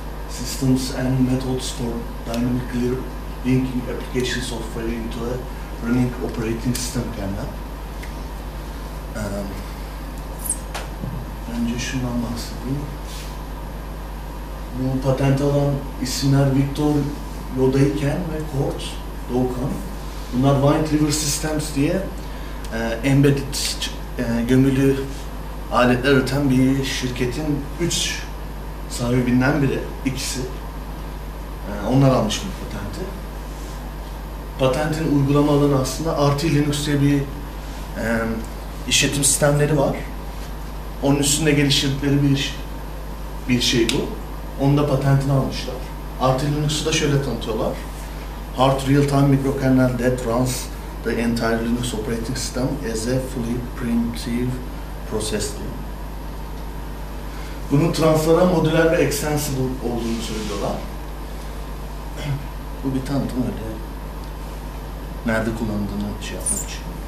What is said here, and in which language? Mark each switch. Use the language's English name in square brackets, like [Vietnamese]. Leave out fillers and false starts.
[English] Systems and methods for dynamically linking application software into a running operating system kernel. [Turkish] Önce şundan bahsedeyim. Bu patente alan isimler Victor Yodayken ve Kurt Doukan. Bunlar Wind River Systems diye embedded gömülü aletler üreten bir şirketin 3 sahibinden biri, ikisi. Onlar almış bu patenti. Patentin uygulama alanı aslında Arch Linux diye bir işletim sistemleri var. Onun üstünde geliştirdikleri bir şey bu. Onu da patentini almışlar. Arch Linux'u da şöyle tanıtıyorlar. [English] Hard real-time microkernel that runs the entire Linux operating system as a fully primitive process [Turkish] diyor. Bunun translara modüler ve extensible olduğunu söylüyorlar. Bu bir tanıtım öyle. Nerede kullandığını şey yapmak için.